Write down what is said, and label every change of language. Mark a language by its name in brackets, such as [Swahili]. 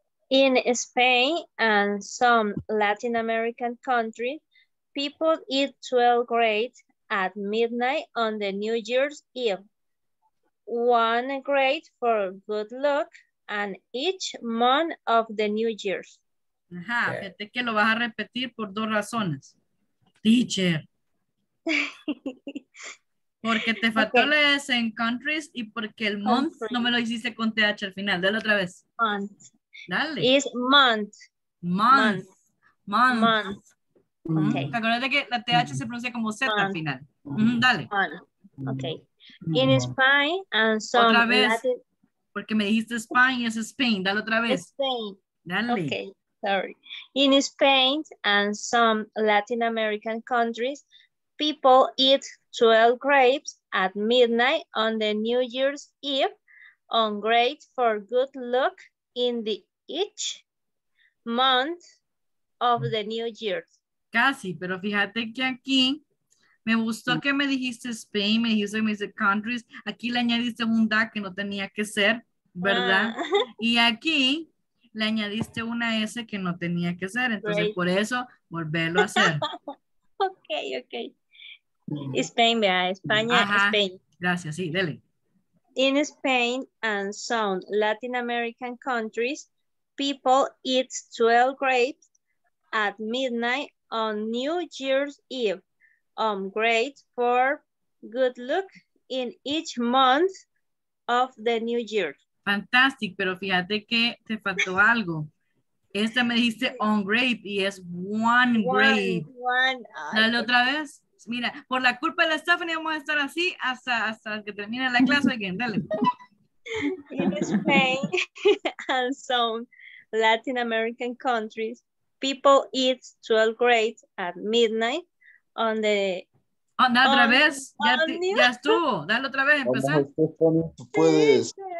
[English] In Spain and some Latin American countries, people eat 12 grapes at midnight on the New Year's Eve. One grape for good luck and each month of the New Year's. [Spanish] Ajá, fíjate que lo vas a repetir por dos razones. Teacher. Porque te faltó la S en countries y porque el month no me lo hiciste con TH al final. Dale otra vez. [English] Month. [Spanish] Dale. [English] Is month. Month. Month. Month. [Spanish] Okay. Acuérdate que la TH se pronuncia como Z month. Al final. Mm-hmm. Dale. [English] Month. Okay. In Spain and some [Spanish] otra vez. Latin... Porque me dijiste Spain y es Spain. Dale otra vez. [English] Spain. [Spanish] Dale. [English] Okay. Sorry. In Spain and some Latin American countries, people eat 12 grapes at midnight on the New Year's Eve on grapes for good luck in the each month of the New Year's. [Spanish] Casi, pero fíjate que aquí me gustó que me dijiste Spain, me dijiste countries. Aquí le añadiste un da que no tenía que ser, ¿verdad? Y aquí le añadiste una S que no tenía que ser. Entonces, great. Por eso, volverlo a hacer. Ok, ok. Spain, vea, España, ajá. Spain. Gracias, sí, dele. [English] In Spain and some Latin American countries, people eat 12 grapes at midnight on New Year's Eve. Grapes for good luck in each month of the New Year. [Spanish] Fantastic, pero fíjate que te faltó algo. Esta me dijiste on grape y es one grape. Dale otra vez. Mira, por la culpa de la Stephanie vamos a estar así hasta que termine la clase. [English] Again. [Spanish] Dale. [English] In Spain and some Latin American countries, people eat 12 grapes at midnight on the... [Spanish] Anda, otra vez. Ya estuvo. Dale otra vez. Empezar. Puedes.